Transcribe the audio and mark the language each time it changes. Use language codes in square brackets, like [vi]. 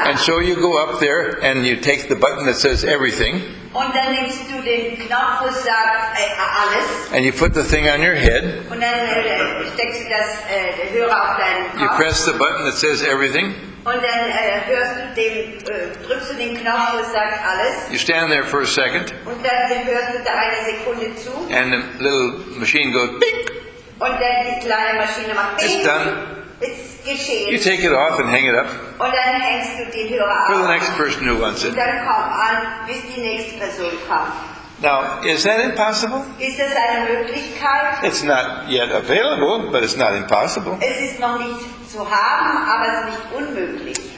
[en] And so you go up there and you take the button that says everything. And you put the thing on your head. You press the button that says everything. [de] Und dann drückst du den Knopf und sagst alles. [en] You stand there for a second. [de] Und dann hörst du da eine Sekunde zu. [en] And the little machine goes bing. [de] Und dann die kleine Maschine macht bing. [en] It's done. It's geschehen. You take it off and hang it up. [de] Und dann hängst du den Hörer ab. [en] For the next person who wants it. [de] Und dann komm an, bis die nächste Person kommt. [en] Now, is that impossible? [de] Ist das eine Möglichkeit? [en] It's not yet available, but it's not impossible. [de] Es ist noch nicht zu haben, aber es ist nicht unmöglich.